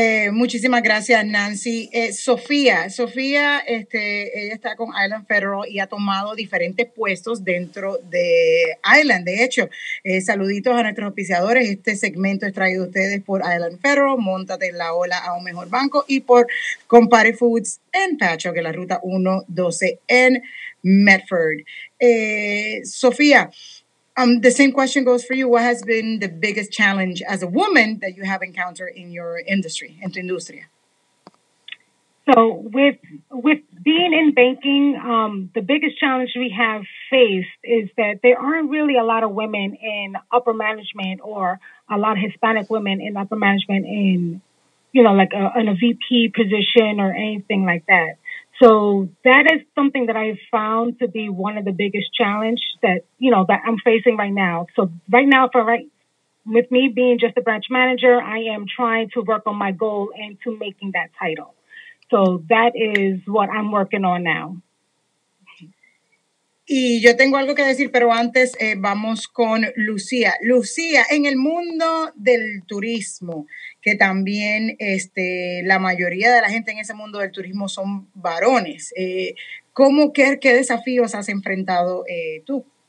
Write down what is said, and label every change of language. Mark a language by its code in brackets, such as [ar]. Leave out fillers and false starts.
[es] Muchísimas gracias, Nancy. Sofía, ella está con Island Federal y ha tomado diferentes puestos dentro de Island. De hecho, saluditos a nuestros auspiciadores. Este segmento es traído a ustedes por Island Federal, Móntate en la Ola a un Mejor Banco y por Compare Foods en Patchogue, que es la ruta 112 en Medford. [en] Sofía, the same question goes for you. What has been the biggest challenge as a woman that you have encountered in your industry, [es] en tu industria? [en] So with being in banking, the biggest challenge we have faced is that there aren't really a lot of women in upper management or a lot of Hispanic women in upper management in, you know, like in a VP position or anything like that. So that is something that I've found to be one of the biggest challenges that, you know, that I'm facing right now. So right now, for right with me being just a branch manager, I am trying to work on my goal into making that title. So that is what I'm working on now. [es] Y yo tengo algo que decir, pero antes vamos con Lucía. Lucía, en el mundo del turismo, que también la mayoría de la gente en ese mundo del turismo son varones, ¿qué desafíos has enfrentado tú?